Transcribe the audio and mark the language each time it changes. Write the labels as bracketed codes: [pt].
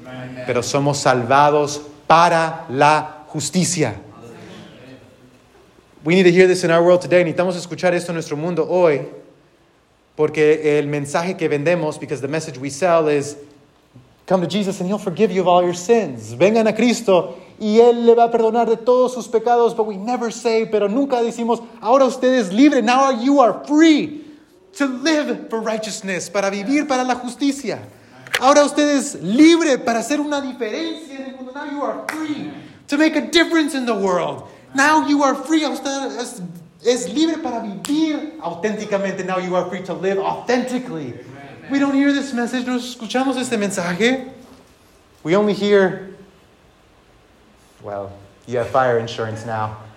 [es] Amen. Pero somos salvados para la justicia. [en] We need to hear this in our world today. [es] Necesitamos escuchar esto en nuestro mundo hoy. Porque el mensaje que vendemos, [en] because the message we sell is, Come to Jesus and he'll forgive you of all your sins. [es] Vengan a Cristo y él le va a perdonar de todos sus pecados. [en] But we never say, [es] pero nunca decimos, ahora usted es libre. [en] Now you are free to live for righteousness, [es] para vivir para la justicia. Ahora usted es libre para hacer una diferencia en el mundo. [en] Now you are free to make a difference in the world. Now you are free. [es] Usted es libre para vivir auténticamente. [en] Now you are free to live authentically. We don't hear this message. [es] No escuchamos este mensaje. [en] We only hear, well, you have fire insurance now.